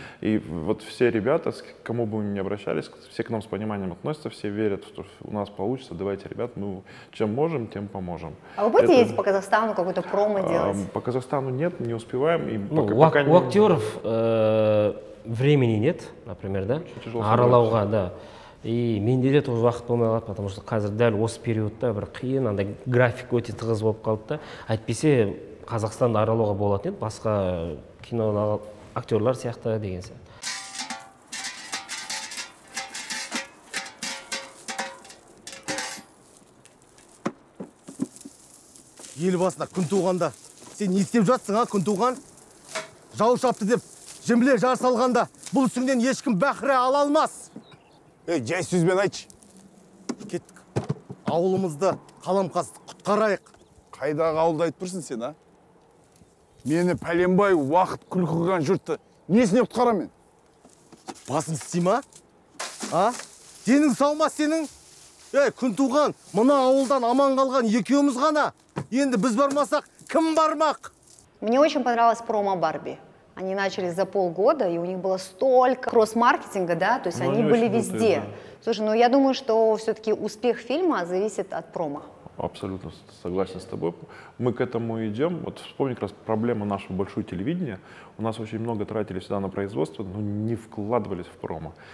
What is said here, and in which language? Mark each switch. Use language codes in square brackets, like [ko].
[ru] И вот все ребята, к кому бы мы ни обращались, все к нам с пониманием относятся, все верят, что у нас получится. Давайте, ребят, мы чем можем, тем поможем. А вы будете ездить по Казахстану, какую-то промо делать? По Казахстану нет, не успеваем. И ну, пока у актеров времени нет, например, да? [kk] Аралауға, да. И менде де [ru] тоже [kk] уақыт болмай қалады, [ru] потому что [kk] қазір дәл осы периодта бір қиын, анда график өте тығыз болып қалды. Әйтпесе Қазақстанды аралауға болатын еді, басқа кинодағы актерлар сияқты деген сен. Ел басына күн туғанда, сен не істеп жатсың, а, күн туған? Жау шапты деп, жемле жар салғанда, бұл үстіңден ешкім бәхірі ала алмас. Ей, жай сөзбен айтшы. Кеттік, ауылымызды қаламқасты құтқарайық. Қайдағы ауылды айтып тұрсың сен, а? Мені пәленбай уақыт күлкі қылған жұртты несіне құтқарам мен? Басың істей ма? А? Денің сау ма сенің? Ей, күн туған, мына ауылдан аман қалған екеуміз ғана. Енді біз бармасақ, кім бармақ? [ru] Мне очень понравилась промо Барби. Они начали за полгода, и у них было столько кросс-маркетинга, да? То есть они были везде. Внутри, да. Слушай, ну я думаю, что все-таки успех фильма зависит от промо. Абсолютно согласен с тобой. Мы к этому идем. Вот вспомни как раз проблему нашего большого телевидения. У нас очень много тратили всегда на производство, но не вкладывались в промо.